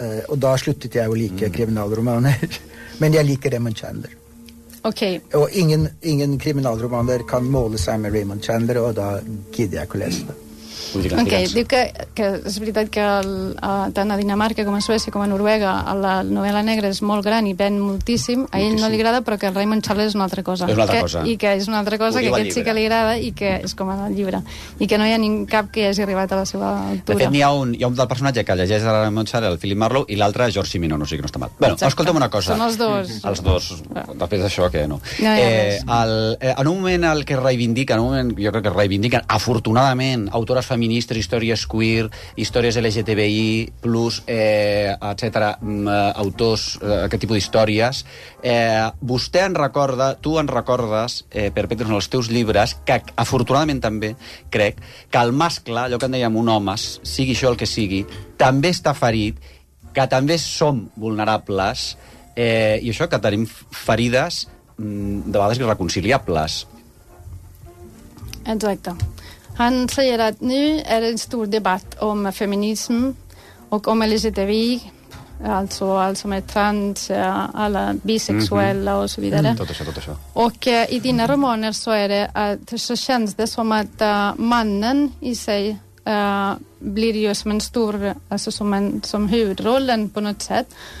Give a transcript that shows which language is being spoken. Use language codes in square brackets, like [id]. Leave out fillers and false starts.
[no] Og da sluttet jeg å like kriminalromaner. Men jeg liker Raymond Chandler. Ok. Og ingen kriminalromaner kan måle seg med Raymond Chandler, og da gidder jeg ikke å lese det. Okay. [ca] Diu que és veritat que tant a Dinamarca com a Suècia com a Noruega la novel·la negra és molt gran i ven moltíssim. A ell no li agrada, però que el Raymond Chandler és una altra cosa. És una altra cosa. I que és una altra cosa, que aquest sí que li agrada i que és com el llibre. I que no hi ha cap que hagi arribat a la seva altura. De fet, hi ha un del personatge que llegeix el Raymond Chandler, el Philip Marlowe, i l'altre George Simino, no sé, que no està mal. Bueno, escolta'm una cosa. Són els dos. Els dos. Després d'això, que no. En un moment el que reivindica, en un moment jo crec que reivindiquen, afortunadament, autores feministes, històries queer, històries LGTBI+, etcètera, autors, aquest tipus d'històries, vostè en recorda, tu en recordes, Perpetus, en els teus llibres, que afortunadament també crec que el mascle, allò que en dèiem un home, sigui això el que sigui, també està ferit, que també som vulnerables, i això, que tenim ferides de vegades irreconciliables. Exacte. [sv] Han sellerat nu er en stor debatt om feminism och om LGTBI, alltså som är trans, alla bisexuella och så vidare. [ca] Tot això. [sv] Och i dina romaner så är det att så känns det som att mannen i sig blir ju som en stor, alltså som huvudrollen på något sätt.